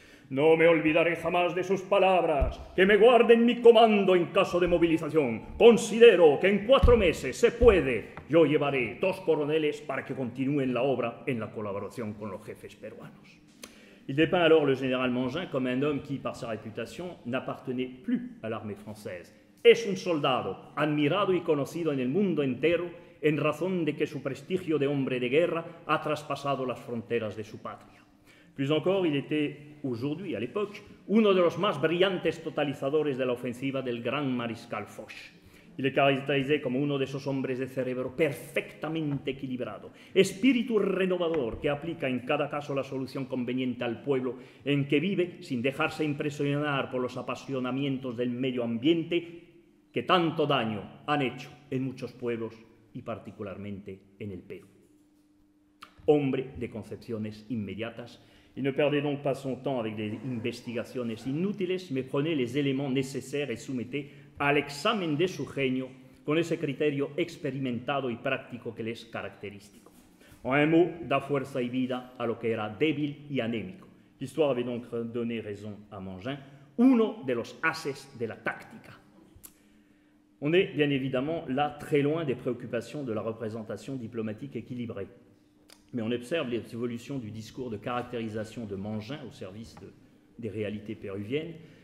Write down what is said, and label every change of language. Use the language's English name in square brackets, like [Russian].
[Spanish] No me olvidaré jamás de sus palabras, que me guarden mi comando en caso de movilización. Considero que en 4 meses se puede. Yo llevaré 2 coroneles para que continúen la obra en la colaboración con los jefes peruanos. [French] Il dépeint alors le général Mangin comme un homme qui, par sa réputation, n'appartenait plus à l'armée française. [Spanish] Es un soldado admirado y conocido en el mundo entero en razón de que su prestigio de hombre de guerra ha traspasado las fronteras de su patria. [French] Plus encore, il était aujourd'hui, à l'époque, [Spanish] uno de los más brillantes totalizadores de la ofensiva del gran mariscal Foch. [French] Il est caractérisé comme [Spanish] uno de esos hombres de cerebro perfectamente equilibrado, espíritu renovador que aplica en cada caso la solución conveniente al pueblo en que vive sin dejarse impresionar por los apasionamientos del medio ambiente que tanto daño han hecho en muchos pueblos y particularmente en el Perú. Hombre de concepciones inmediatas, [French] il ne perdait donc pas son temps avec des [Spanish] investigaciones inútiles, [French] mais prenait les éléments nécessaires et soumettait à l'examen de [Spanish] su genio con ese criterio experimentado y práctico que le es característico. [French] En un mot, [Spanish] da fuerza y vida a lo que era débil y anémico. [French] L'histoire avait donc donné raison à Mangin, [Spanish] uno de los ases de la táctica. [French] On est bien évidemment là très loin des préoccupations de la représentation diplomatique équilibrée. Mais on observe les évolutions du discours de caractérisation de Mangin au service des réalités péruviennes.